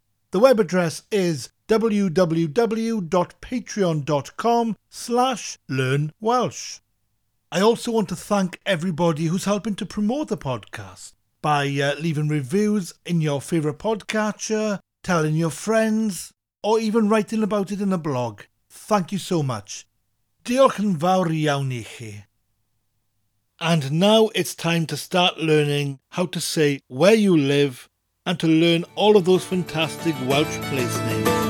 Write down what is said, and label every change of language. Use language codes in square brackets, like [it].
[en] The web address is www.patreon.com/learnwelsh. I also want to thank everybody who's helping to promote the podcast by leaving reviews in your favourite podcatcher, telling your friends, or even writing about it in a blog. Thank you so much. [cy] Diolch yn fawr iawn I chi. [en] And now it's time to start learning how to say where you live and to learn all of those fantastic Welsh place names.